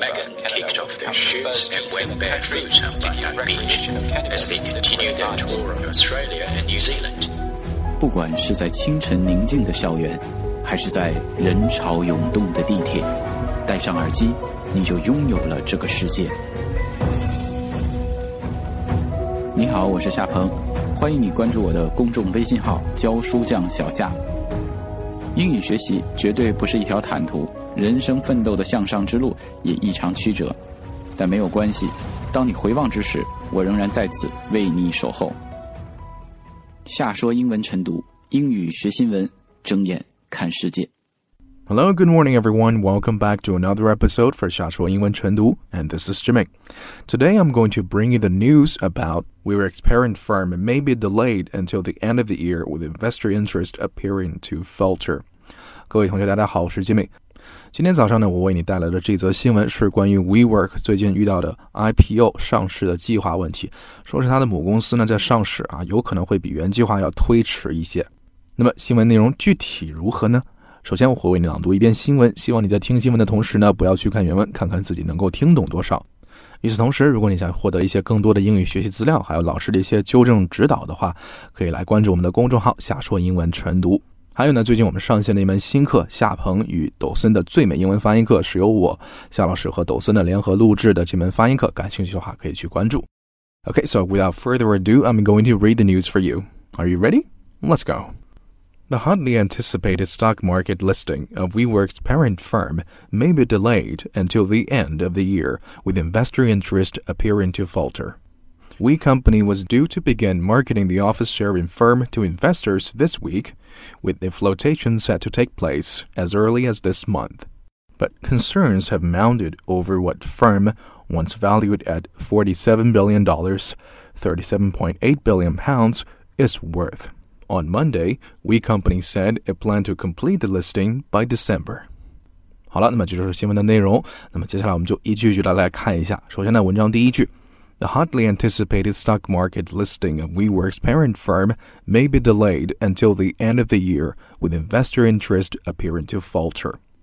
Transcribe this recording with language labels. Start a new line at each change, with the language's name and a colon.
English: Megan kicked off their shoots and went barefoot on Bondi Beach as they continued their tour of Australia and New Zealand.
Chinese: 不管是在清晨宁静的校园，还是在人潮涌动的地铁，戴上耳机，你就拥有了这个世界。你好，我是夏鹏，欢迎你关注我的公众微信号教书匠小夏。英语学习绝对不是一条坦途，人生奋斗的向上之路也异常曲折，但没有关系，当你回望之时，我仍然在此为你守候。夏说英文晨读，英语学新闻，睁眼看世界。
English: Hello, good morning, everyone. Welcome back to another episode for 夏说英文晨读, and this is Jimmy. Today, I'm going to bring you the news about WeWork's parent firm may be delayed until the end of the year with investor interest appearing to falter.
Chinese: 各位同学大家好，我是 Jimmy。今天早上呢，我为你带来的这则新闻是关于 WeWork 最近遇到的 IPO 上市的计划问题。说是它的母公司呢在上市啊，有可能会比原计划要推迟一些。那么新闻内容具体如何呢？首先我会为你朗读一遍新闻，希望你在听新闻的同时呢，不要去看原文，看看自己能够听懂多少。与此同时，如果你想获得一些更多的英语学习资料，还有老师的一些纠正指导的话，可以来关注我们的公众号夏说英文晨读。还有呢，最近我们上线了一门新课，夏鹏与抖森的最美英文发音课，是由我夏老师和抖森的联合录制的这门发音课，感兴趣的话可以去关注。
English: Okay, so without further ado, I'm going to read the news for you. Are you ready? Let's go. The hotly anticipated stock market listing of WeWork's parent firm may be delayed until the end of the year, with investor interest appearing to falter. We company was due to begin marketing the office sharing firm to investors this week, with the flotation set to take place as early as this month. But concerns have mounted over what firm, once valued at $47 billion, 37.8 billion pounds, is worth. On Monday, We Company said it planned to complete the listing by December.
Chinese: 好了，那么这就是新闻的内容。那么接下来我们就一句一句的来看一下。首先呢，文章第一句。
English: The hotly anticipated stock market listing of WeWork's parent firm may be delayed until the end of the year, with investor interest appearing to falter.